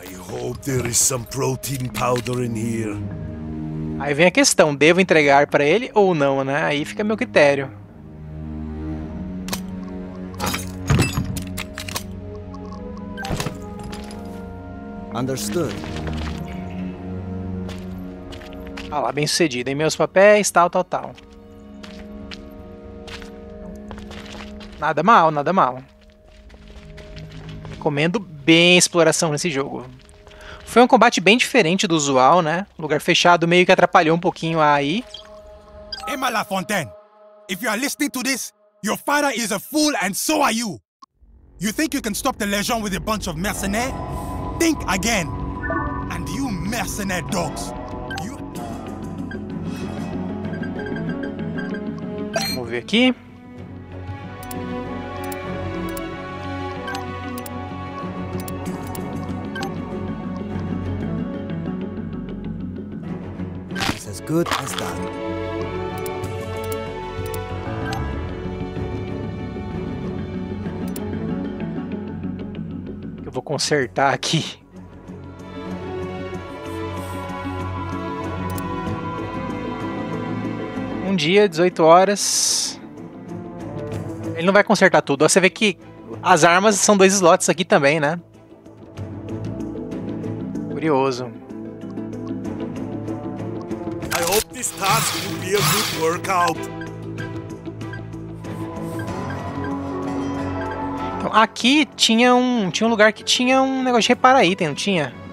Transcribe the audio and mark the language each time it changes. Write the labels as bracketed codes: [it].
[en] I hope there is some protein powder in here. [pt] Aí vem a questão, devo entregar pra ele ou não, né? Aí fica meu critério. [en] Understood. [pt] Ah lá, bem sucedido. Em meus papéis, tal, tal, tal. Nada mal, nada mal. Recomendo bem a exploração nesse jogo. Foi um combate bem diferente do usual, né? Lugar fechado meio que atrapalhou um pouquinho a AI. [en] Emma LaFontaine, if you are listening to this, Your father is a fool and so are you. You think you can stop the Legion with a bunch of mercenaires? Think again. And you mercenaire dogs. You... [pt] Vamos ver aqui. [en] It's as good as done. [pt] Vou consertar aqui. Um dia, 18 horas. Ele não vai consertar tudo. Você vê que as armas são dois slots aqui também, né? Curioso. [en] I hope this task will be a good workout. [pt] Então, aqui tinha um lugar que tinha um negócio de reparar item, não tinha?